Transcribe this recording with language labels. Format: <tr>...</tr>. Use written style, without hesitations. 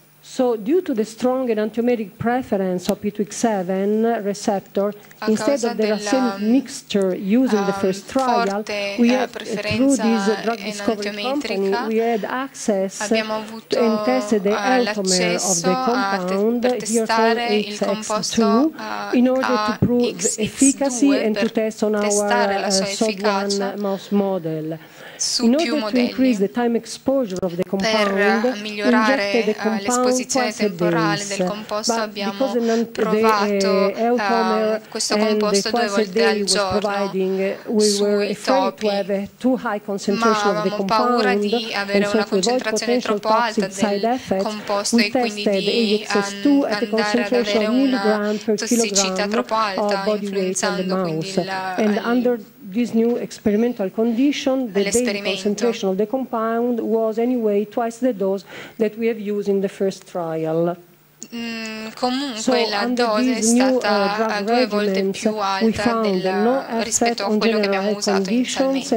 <en>So due to the strong enantiomeric preference of P2X7 receptor, instead of the racemic mixture used in the first trial, we had, through this drug discovery company, we had access and tested the altomer of the compound, here called AXX2, in order to prove the efficacy and to test on our SOD1 mouse model. In order to increase the time exposure of the compound,</en> <it>per migliorare</it> <en>the compound</en> <it>l'esposizione temporale del composto,</it> <en>but</en> <it>abbiamo provato questo composto due volte al giorno sui topi, ma avevamo paura di avere una concentrazione troppo alta del composto e quindi di andare ad avere una tossicità troppo alta influenzando quindi il</it> <en>this new experimental condition, the daily concentration of the compound was anyway twice the dose that we have used in the first trial.</en> <it>Comunque la dose è stata due volte più alta rispetto a quello che abbiamo usato inizialmente.</it>